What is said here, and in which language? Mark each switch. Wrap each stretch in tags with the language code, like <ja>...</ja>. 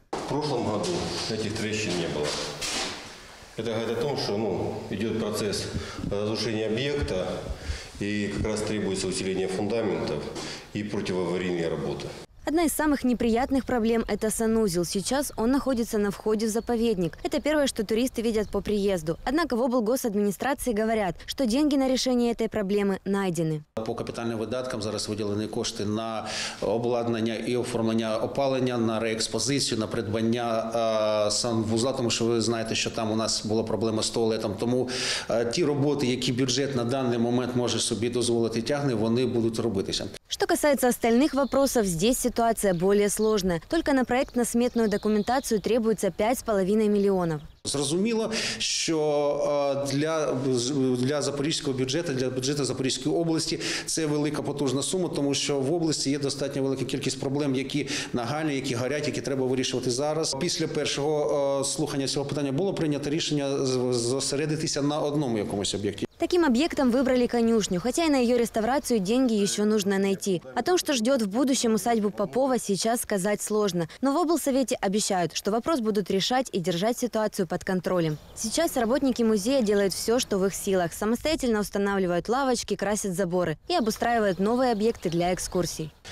<ru>В прошлом году этих трещин не было. Это говорит о том, что идет процесс разрушения объекта и как раз требуется усиление фундаментов и противоаварийные работы. Одна из самых неприятных проблем – это санузел. Сейчас он находится на входе в заповедник. Это первое, что туристы видят по приезду. Однако в облгосадминистрации говорят, что деньги на решение этой проблемы найдены. По капитальным выдаткам</ru> <uk>зараз выделены кошти на обладнання и оформлення опалення, на реэкспозицию, на придбання санвузла, тому що ви знаєте, що там у нас була проблема з туалетом. Тому ті роботи, які бюджет на даний момент може собі дозволити тягне, вони будуть робитися.</uk> <ru>Что касается остальных вопросов, здесь ситуация более сложная. Только на проектно-сметную документацию требуется 5,5 миллионов.</ru> <uk>Зрозуміло, що для Запорізького бюджету, для бюджету Запорізької області це велика потужна сума, тому що в області є достатньо велика кількість проблем, які нагальні, які горять, які треба вирішувати зараз. Після першого слухання цього питання було прийнято рішення зосередитися на одному якомусь об'єкті. Таким об'єктом вибрали конюшню, хоча й на її реставрацію</uk> <ru>деньги ще нужно найти. О том, що ждет в будущем усадьбу Попова, сейчас сказать сложно. Но в облсовете обещают, что вопрос будут решать и держать ситуацию под контролем. Сейчас работники музея делают все, что в их силах. Самостоятельно устанавливают лавочки, красят заборы и обустраивают новые объекты для экскурсий.</ru>